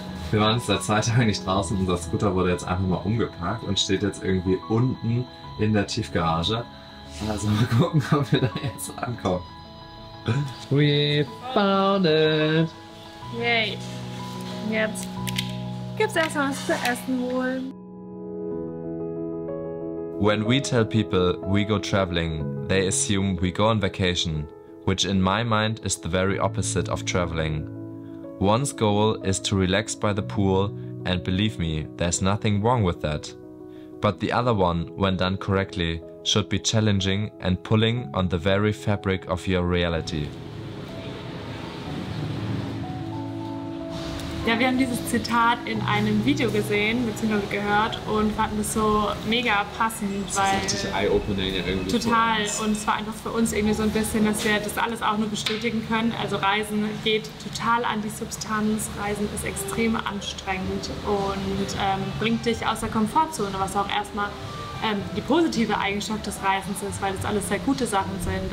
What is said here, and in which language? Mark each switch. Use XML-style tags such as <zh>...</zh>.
<de>Wir waren jetzt seit 2 Tagen nicht draußen. Unser Scooter wurde jetzt einfach mal umgeparkt und steht jetzt irgendwie unten in der Tiefgarage. Also mal gucken, ob wir da jetzt ankommen.</de> <en>We found it! Yay!</en> <de>Jetzt gibt's erstmal was zu essen holen.</de> <en>When we tell people we go traveling, they assume we go on vacation, which in my mind is the very opposite of traveling. One's goal is to relax by the pool, and believe me, there's nothing wrong with that. But the other one, when done correctly, should be challenging and pulling on the very fabric of your reality.</en> <de>Ja, wir haben dieses Zitat in einem Video gesehen bzw. gehört und fanden es so mega passend. Das weil ist richtig eye-opening irgendwie. Total. Und es war einfach für uns irgendwie so ein bisschen, dass wir das alles auch nur bestätigen können. Also Reisen geht total an die Substanz. Reisen ist extrem anstrengend und bringt dich aus der Komfortzone, was auch erstmal die positive Eigenschaft des Reisens ist, weil das alles sehr gute Sachen sind.</de>